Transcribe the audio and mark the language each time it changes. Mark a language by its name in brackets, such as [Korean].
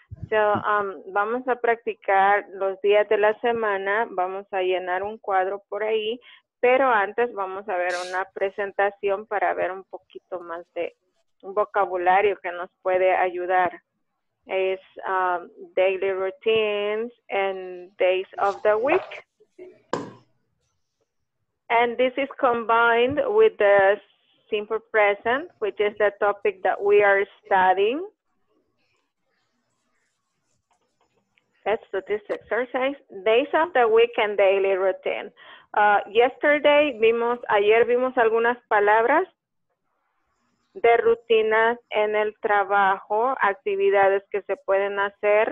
[Spanish] So, vamos a practicar los días de la semana, vamos a llenar un cuadro por ahí, pero antes vamos a ver una presentación para ver un poquito más de un vocabulario que nos puede ayudar. [English] Es daily routines and days of the week. And this is combined with the simple present, which is the topic that we are studying. That's this exercise, days of the week and daily routine. [Spanish] Ayer vimos algunas palabras de rutinas en el trabajo, actividades que se pueden hacer.